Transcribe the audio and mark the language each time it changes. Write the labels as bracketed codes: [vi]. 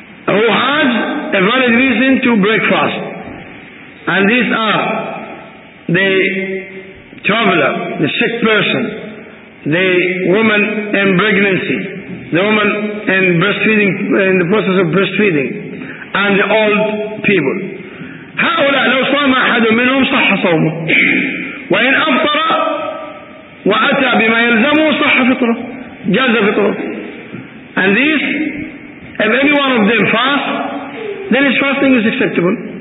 [en] Who has a valid reason to break fast, and these are the traveler, the sick person, the woman in pregnancy, the woman in breastfeeding, in the process of breastfeeding, and the old people. [ar] هؤلاء لو صام أحد منهم صح صومه, وإن أفطر وأتى بما يلزمه صح فطره, جاز فطره. [en] And this, if any one of them fast, then his fasting is acceptable.